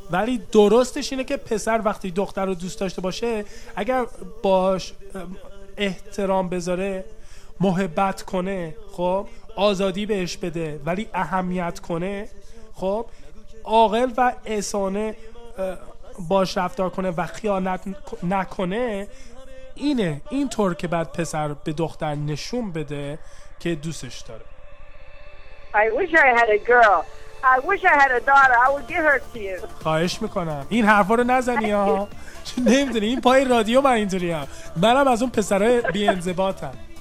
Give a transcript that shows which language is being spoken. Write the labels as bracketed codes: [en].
[fa] ولی درستش اینه که پسر وقتی دختر رو دوست داشته باشه، اگر باش احترام بذاره، محبت کنه، خب آزادی بهش بده ولی اهمیت کنه، خب عاقل و احسانه باش رفتار کنه و خیانت نکنه، اینه این طور که بعد پسر به دختر نشون بده که دوستش داره. [en] I wish I had a girl. I wish I had a daughter. I would give her to you. [fa] خواهش میکنم این حرفا رو نزنی ها. چه نمیدونی این پای رادیو من اینطوری هم، من هم از اون پسرهای بی‌انضباط هم.